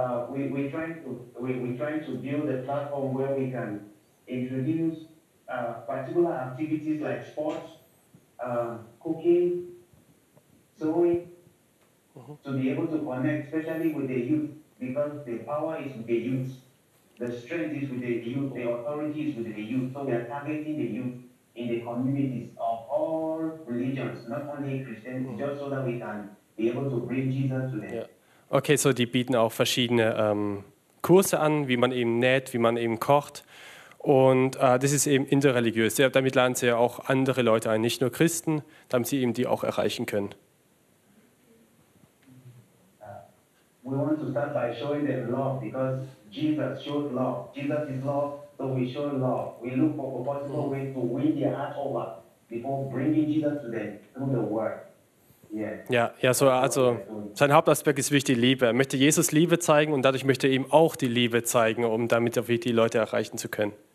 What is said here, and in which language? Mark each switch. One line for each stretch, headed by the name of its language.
English: We're trying to build a platform where we can introduce particular activities like sports, cooking, sewing, to be able to connect, especially with the youth, because the power is with the youth, the strength is with the youth, the authority is with the youth. So we are targeting the youth in the communities of all religions, not only Christians, just so that we can be able to bring Jesus to them. Yeah.
German: Okay, so die bieten auch verschiedene Kurse an, wie man eben näht, wie man eben kocht. Und das ist eben interreligiös. Ja, damit laden sie ja auch andere Leute ein, nicht nur Christen, damit sie eben die auch erreichen können.
English: We want to start by showing them love, because Jesus showed love. Jesus is love. So we show love. We look for a possible way to win their heart over before bringing Jesus to them through the word. Yeah.
German: Also sein Hauptaspekt ist wirklich die Liebe. Er möchte Jesus Liebe zeigen und dadurch möchte er ihm auch die Liebe zeigen, um damit auch die Leute erreichen zu können.